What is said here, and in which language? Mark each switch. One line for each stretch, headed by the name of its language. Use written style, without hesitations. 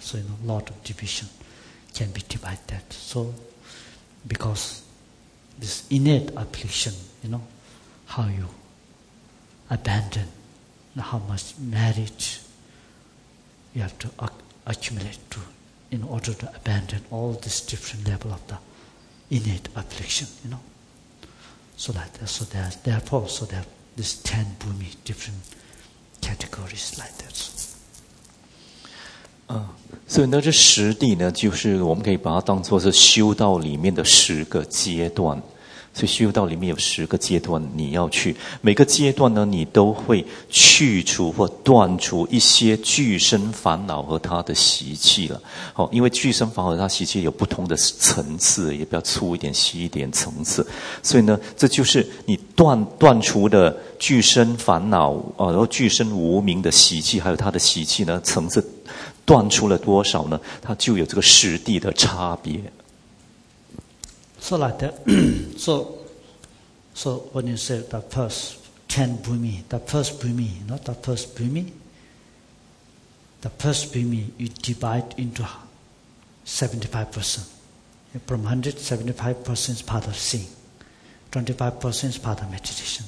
English: So, you know, a lot of division can be divided that. So, because this innate affliction, you know, how you abandon, how much merit you have to accumulate to in order to abandon all this different level of the innate affliction, you know. So like that, so there, therefore, so there are these 10 bhumi, different categories like that. So.
Chinese: 所以那这十地呢，就是我们可以把它当作是修道里面的十个阶段。所以修道里面有十个阶段，你要去每个阶段呢，你都会去除或断除一些具身烦恼和他的习气了。哦，因为具身烦恼和他习气有不同的层次，也比较粗一点、细一点层次。所以呢，这就是你断除的具身烦恼，然后具身无明的习气，还有他的习气呢，层次断除了多少呢？它就有这个十地的差别。
English: So like that, so when you say the first 10 bhumi, the first bhumi, you divide into 75%. From 100, 75% is part of seeing. 25% is part of meditation.